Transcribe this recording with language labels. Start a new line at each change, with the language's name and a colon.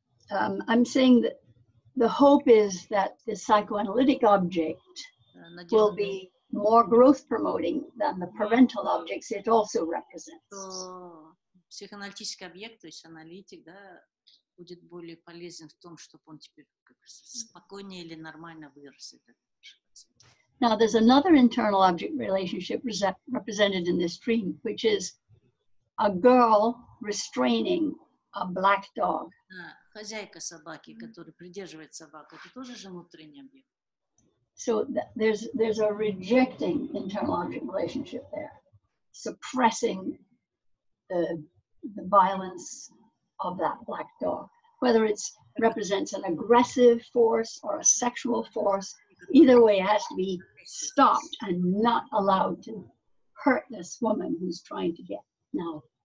English: I'm saying that the hope is that the psychoanalytic object will be more growth promoting than the parental objects it also represents.
Russian: Психоаналитический объект, то есть аналитик, да, будет более полезен в том, чтобы он теперь спокойнее или нормально вырос.
English: Now there's another internal object relationship represented in this dream, which is a girl restraining a black dog.
Russian: Хозяйка собаки, которая придерживает собаку, это тоже же внутренний объект.
English: So there's a rejecting internal object relationship there, suppressing the violence of that black dog. Whether it represents an aggressive force or a sexual force, either way it has to be stopped and not allowed to hurt this woman who's trying to get now.